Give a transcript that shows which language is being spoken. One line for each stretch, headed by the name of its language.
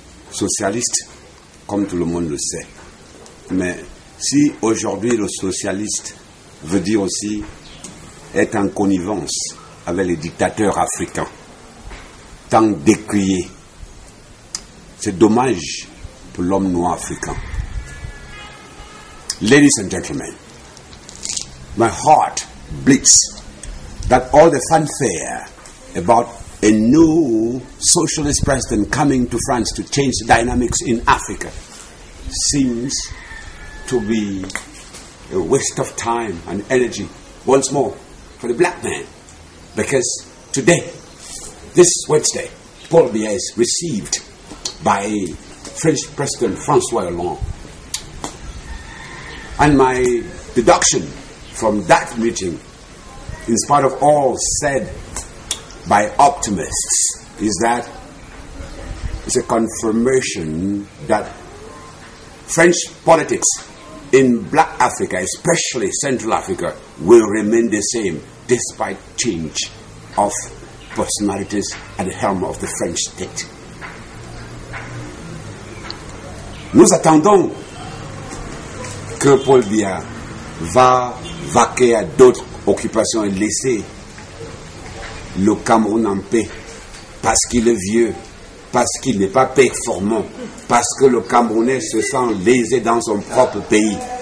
French: Socialiste, comme tout le monde le sait. Mais si aujourd'hui le socialiste veut dire aussi être en connivence avec les dictateurs africains, tant décriés, c'est dommage pour l'homme noir africain.
English: Ladies and gentlemen, my heart bleeds that all the fanfare about a new socialist president coming to France to change the dynamics in Africa seems to be a waste of time and energy once more for the black man. Because today, this Wednesday, Paul Biya is received by French President Francois Hollande. And my deduction from that meeting, in spite of all said by optimists, is that it's a confirmation that French politics in Black Africa, especially Central Africa, will remain the same despite change of personalities at the helm of the French state.
French: Nous attendons que Paul Biya va vaquer à d'autres occupations et laisser le Cameroun en paix, parce qu'il est vieux, parce qu'il n'est pas performant, parce que le Camerounais se sent lésé dans son propre pays.